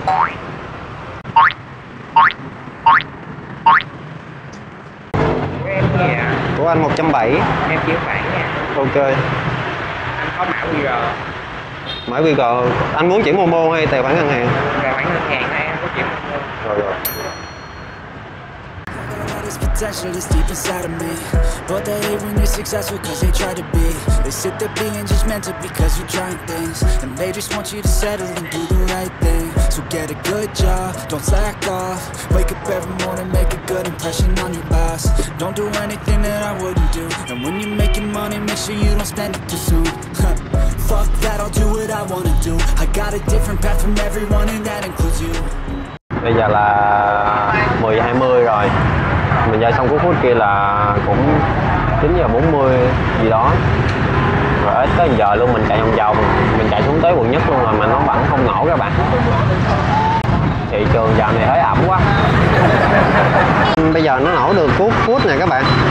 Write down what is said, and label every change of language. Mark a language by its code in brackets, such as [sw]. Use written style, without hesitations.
[vi] Của em kìa. Của anh 170. Em chiếu bản nha. Ok. Anh có mã QR. Mã QR, anh muốn chuyển Momo hay tài khoản ngân hàng? Tài khoản ngân hàng hay anh có chuyển Momo. Rồi rồi. [en] Potential is deep inside of me, but they hate when you're successful cause they try to be. They sit there being judgmental because you're trying things, and they just want you to settle and do the right thing. So get a good job, don't slack off, wake up every morning, make a good impression on your boss. Don't do anything that I wouldn't do, and when you're making money, make sure you don't spend it too soon. Fuck that, I'll do what I wanna do. I got a different path from everyone and that includes you. [vi] Bây giờ là 10:20 rồi. Mình dạy xong cuốc hút kia là cũng 9:40 gì đó. Rồi ít tới giờ luôn mình chạy vòng vòng. Mình chạy xuống tới quận nhất luôn rồi mà nó vẫn không nổ các bạn. Thị trường dạo này hơi ẩm quá. Bây giờ nó nổ được cuốc hút nè các bạn.